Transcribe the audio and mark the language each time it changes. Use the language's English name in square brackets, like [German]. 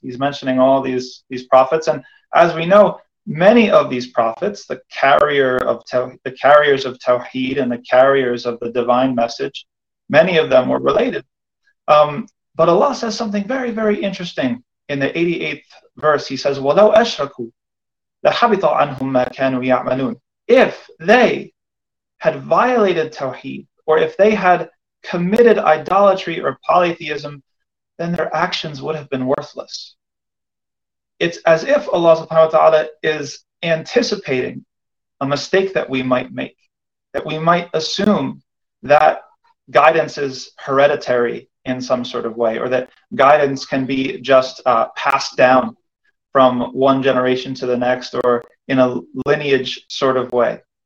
[English] He's mentioning all these prophets. And as we know, many of these prophets, the carriers of Tawheed and the carriers of the divine message, many of them were related. But Allah says something very, very interesting in the 88th verse. [Arabic] He says, وَلَوْ أَشْرَكُوا لَحَبِطَ عَنْهُمْ مَا كَانُوا يَعْمَلُونَ. [English] If they had violated Tawheed, or if they had committed idolatry or polytheism, then their actions would have been worthless. It's as if Allah subhanahu wa ta'ala is anticipating a mistake that we might make, that we might assume that guidance is hereditary in some sort of way, or that guidance can be just passed down from one generation to the next, or in a lineage sort of way.